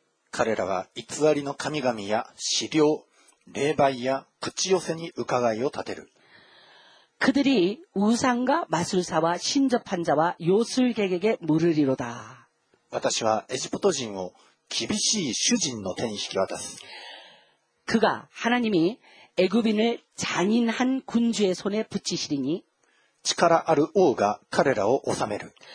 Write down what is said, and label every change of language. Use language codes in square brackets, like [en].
[ja] 彼らは偽りの神々や資料、霊媒や口寄せに伺いを立てる。 [ko] 그들이우상과마술사와신접한자와요술객에게무르리로다。 [ja] 私はエジプト人を厳しい主人の手に引き渡す。 [ko] 그가하나님이애굽인을잔인한군주의손에붙이시리니 [ja] 力ある王が彼らを治める。